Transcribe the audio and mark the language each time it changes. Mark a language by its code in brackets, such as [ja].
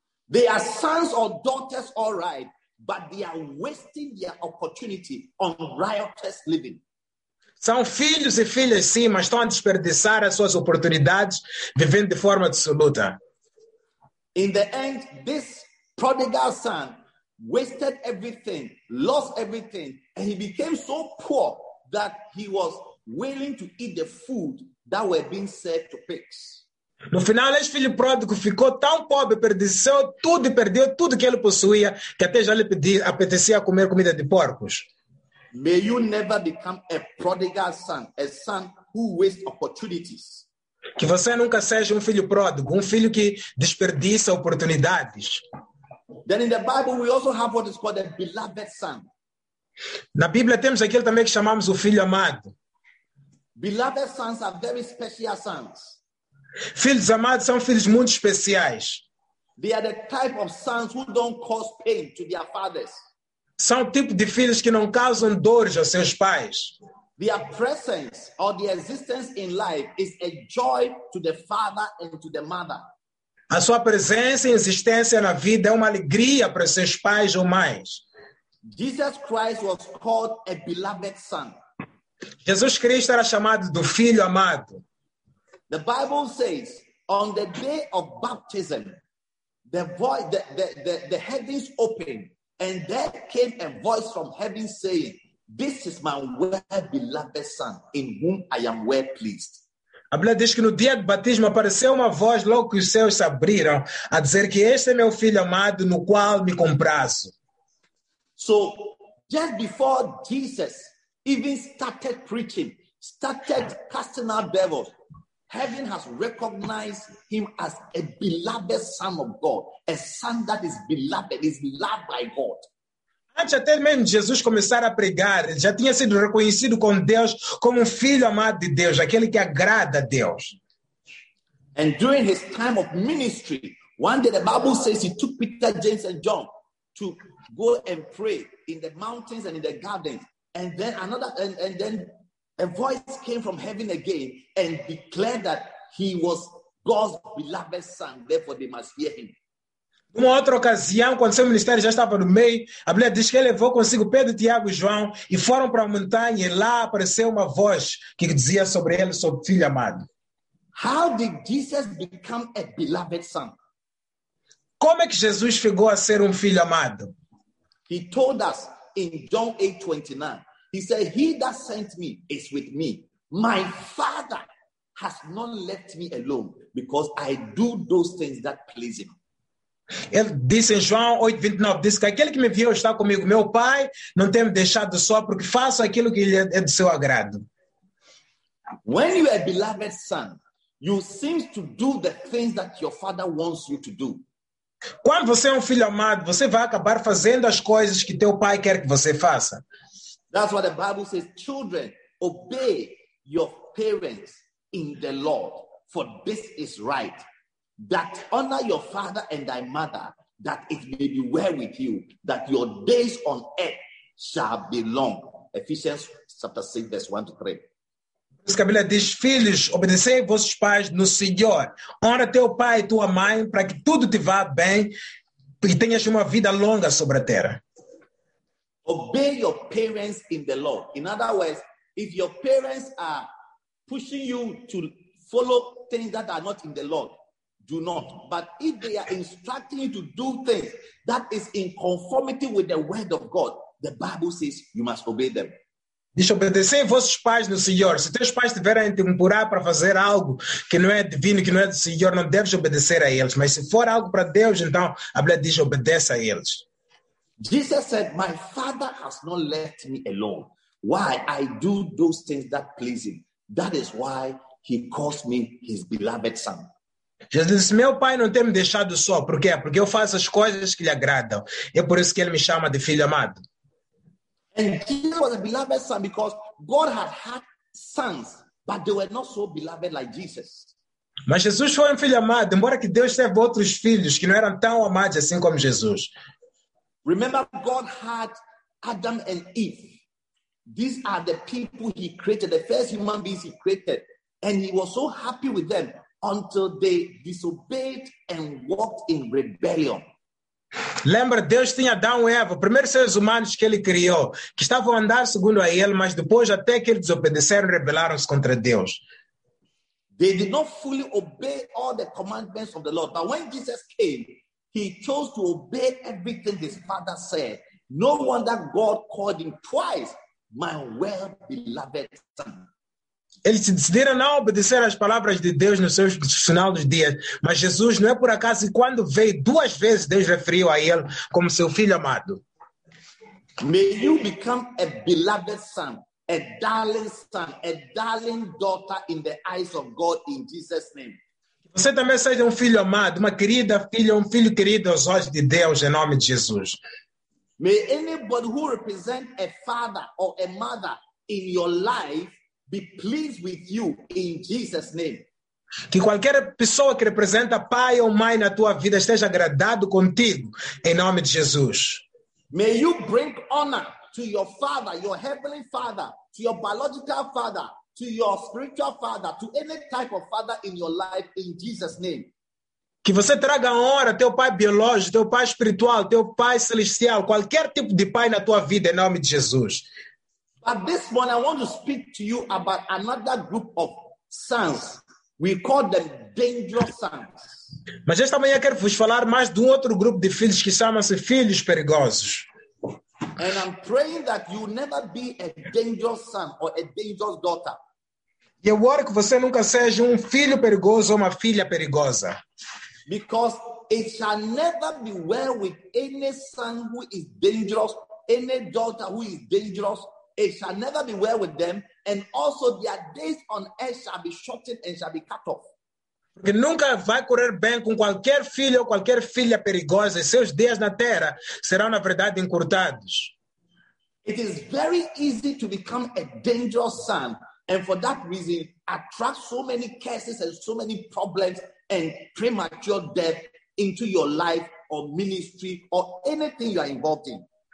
[en] They are sons or daughters, all right, but they are wasting their opportunity on riotous living. [pt] São filhos e filhas, sim, mas estão a desperdiçar as suas oportunidades vivendo de forma absoluta. [en] In the end, this prodigal son wasted everything, lost everything, and he became so poor that he was willing to eat the food that were being sent to pigs. [pt] No final, esse filho pródigo ficou tão pobre, perdeu tudo e perdeu tudo que ele possuía, que até já lhe apetecia comer comida de porcos. [en] May you never become a prodigal son, a son who wastes opportunities. [pt] Que você nunca seja filho pródigo, filho que desperdiça oportunidades. [en] Then in the Bible we also have what is called a beloved son. [pt] Na Bíblia temos aquele também que chamamos o filho amado. [en] Beloved sons are very special sons. [pt] Filhos amados são filhos muito especiais. [en] They are the type of sons who don't cause pain to their fathers. [pt] São o tipo de filhos que não causam dores aos seus pais. [en] Their presence or their existence in life is a joy to the father and to the mother. [pt] A sua presença e existência na vida é uma alegria para seus pais ou mães. [en] Jesus Christ was called a beloved son. [pt] Jesus Cristo era chamado do filho amado. [en] The Bible says, on the day of baptism, the heavens opened, and there came a voice from heaven saying, "This is my well-beloved son, in whom I am well pleased." [pt] A Bíblia diz que no dia do batismo apareceu uma voz logo que os céus se abriram a dizer que este é meu filho amado no qual me comprazo. [en] So, just before Jesus even started preaching, started casting out devils, heaven has recognized him as a beloved son of God, a son that is beloved, is loved by God. [pt] Antes até mesmo Jesus começar a pregar, ele já tinha sido reconhecido com Deus como um filho amado de Deus, aquele que agrada a Deus. [en] And during his time of ministry, one day the Bible says he took Peter, James and John to go and pray in the mountains and in the gardens. And then then a voice came from heaven again and declared that he was God's beloved son, therefore they must hear him. [pt] Uma outra ocasião, quando seu ministério já estava no meio, a Bíblia diz que ele levou consigo Pedro, Tiago e João e foram para a montanha e lá apareceu uma voz que dizia sobre ele, sobre o filho amado. [en] How did Jesus become a beloved son? [pt] Como é que Jesus chegou a ser filho amado? [en] He told us in John 8:29. He said, "He that sent me is with me. My Father has not left me alone because I do those things that please him." [pt] Ele disse em João 8:29, disse que aquele que me enviou está comigo. Meu Pai não tem me deixado só porque faço aquilo que lhe é do seu agrado. [en] When you are a beloved son, you seem to do the things that your father wants you to do. [pt] Quando você é filho amado, você vai acabar fazendo as coisas que teu pai quer que você faça. [en] That's what the Bible says, children, obey your parents in the Lord, for this is right. That honor your father and thy mother, that it may be well with you, that your days on earth shall be long. Ephesians chapter 6, verse 1 to 3. [pt] A Bíblia diz, filhos, obedecei vossos pais no Senhor. Honra teu pai e tua mãe, para que tudo te vá bem e tenhas uma vida longa sobre a terra. [en] Obey your parents in the Lord. In other words, if your parents are pushing you to follow things that are not in the Lord, do not. But if they are instructing you to do things that is in conformity with the word of God, the Bible says you must obey them. [pt] Deixa obedecer vossos pais no Senhor. Se teus pais tiverem a te empurrar para fazer algo que não é divino, que não é do Senhor, não deves obedecer a eles. Mas se for algo para Deus, então a Bíblia diz obedece a eles. [en] Jesus said, "My Father has not left me alone. Why? I do those things that please him. That is why he calls me his beloved son." [pt] Jesus disse, meu pai não tem me deixado só. Por quê? Porque eu faço as coisas que lhe agradam. É por isso que ele me chama de filho amado. [en] And Jesus was a beloved son because God had sons, but they were not so beloved like Jesus. [pt] Mas Jesus foi filho amado, embora que Deus teve outros filhos que não eram tão amados assim como Jesus. [en] Remember, God had Adam and Eve. These are the people he created, the first human beings he created. And he was so happy with them until they disobeyed and walked in rebellion. [pt] Lembra, Deus tinha Adão e Eva, primeiros seres humanos que ele criou, que estavam a andar segundo a ele, mas depois até que eles desobedeceram, rebelaram-se contra Deus. [en] They did not fully obey all the commandments of the Lord. But when Jesus came, he chose to obey everything his father said. No wonder God called him twice, my well-beloved son. [pt] Eles decidiram não obedecer às palavras de Deus nos seus final dos dias. Mas Jesus, não é por acaso, e quando veio duas vezes, Deus referiu a ele como seu filho amado. [en] May you become a beloved son, a darling son, a darling daughter in the eyes of God in Jesus' name. [pt] Você também seja um filho amado, uma querida filha, um filho querido aos olhos de Deus, em nome de Jesus. [en] May anybody who represents a father or a mother in your life be pleased with you in Jesus' name. [pt] Que qualquer pessoa que representa pai ou mãe na tua vida esteja agradado contigo, em nome de Jesus. [en] May you bring honor to your father, your heavenly father, to your biological father, to your spiritual father, to any type of father in your life, in Jesus' name. [pt] Que você traga honra teu pai biológico, teu pai espiritual, teu pai celestial, qualquer tipo de pai na tua vida, em nome de Jesus. [en] But this morning I want to speak to you about another group of sons. We call them dangerous sons. [pt] Mas esta manhã quero vos falar mais de um outro grupo de filhos que chamam-se filhos perigosos. [en] And I'm praying that you never be a dangerous son or a dangerous daughter. [pt] E eu oro que você nunca seja um filho perigoso ou uma filha perigosa. [en] Because it shall never be well with any son who is dangerous, any daughter who is dangerous. It shall never be well with them, and also their days on earth shall be shortened and shall be cut off. [pt] Porque nunca vai correr bem com qualquer filho ou qualquer filha perigosa, e seus dias na terra serão, na verdade, encurtados. [en] It is very easy to become a dangerous son, and for that reason, attract so many curses and so many problems and premature death into your life or ministry or anything you are involved in.